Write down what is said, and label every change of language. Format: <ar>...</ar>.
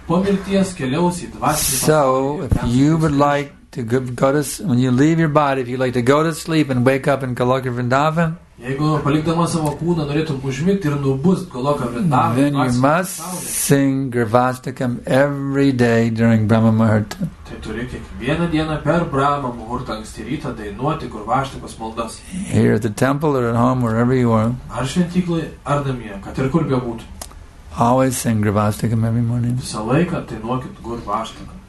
<en>So, if you would like to go to when you leave your body, if you like to go to sleep and wake up in Goloka Vrindavan,</en> <lt>jeigu palikdama savo kūną norėtum užmigti ir nubust Goloka Vrindavan,</lt> <en>then you must sing Gravastakam every day during Brahma Muhurta.</en> <lt>Tai turi kiekvieną dieną per Brahma Muhurta anksti rytą dainuoti Gravastakos maldas.</lt> <en>Here at the temple or at home, wherever you are.</en> <lt>Ar šventykloje, ar namie, kad ir kur bebūtų.</lt> <en>Always sing Gravastakam every morning.</en> <lt>Visą laiką dainuokit Gravastakam.</lt>